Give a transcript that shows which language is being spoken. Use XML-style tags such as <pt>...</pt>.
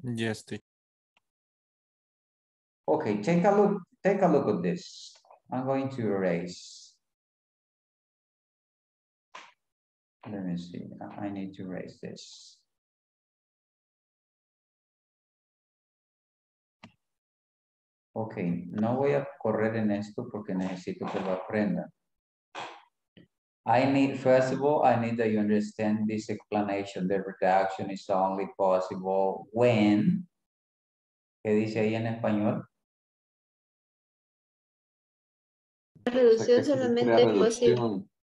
<en>Yes, teacher. Okay, take a look at this. I'm going to erase. Let me see, I need to erase this.</en> <es>Ok, no voy a correr en esto porque necesito que lo aprenda.</es> <en>I need, first of all, I need that you understand this explanation. The reduction is only possible when.</en> <es>¿Qué dice ahí en español? La reducción solamente es posible.</es>